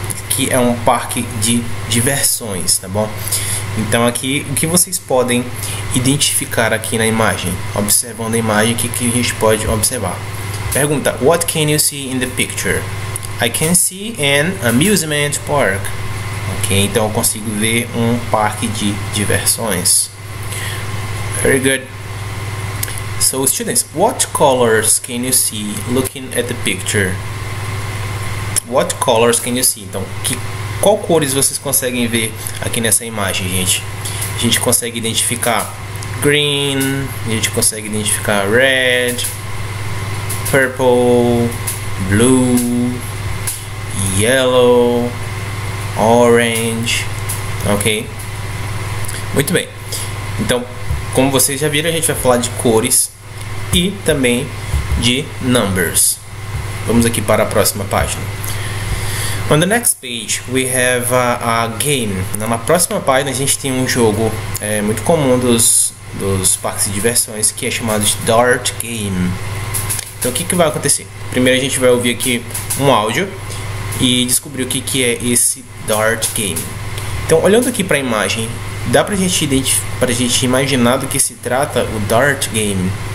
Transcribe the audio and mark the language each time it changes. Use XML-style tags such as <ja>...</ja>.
<pt>Que é um parque de diversões, tá bom? Então, aqui, o que vocês podem identificar aqui na imagem? Observando a imagem, o que a gente pode observar?</pt> <en>Pergunta, what can you see in the picture? I can see an amusement park.</en> <pt>Ok, então eu consigo ver um parque de diversões.</pt> <en>Very good. So, students, what colors can you see looking at the picture? What colors can you see?</en> <pt>Então, qual cores vocês conseguem ver aqui nessa imagem, gente? A gente consegue identificar green, a gente consegue identificar red, purple, blue, yellow, orange, ok? Muito bem. Então, como vocês já viram, a gente vai falar de cores e também de numbers. Vamos aqui para a próxima página.</pt> <en>On the next page, we have a game.</en> <pt>Na próxima página, a gente tem um jogo muito comum dos parques de diversões, que é chamado de Dart Game. Então, o que vai acontecer? Primeiro, a gente vai ouvir aqui um áudio e descobrir o que é esse Dart Game. Então, olhando aqui para a imagem, dá para a gente imaginar do que se trata o Dart Game.</pt>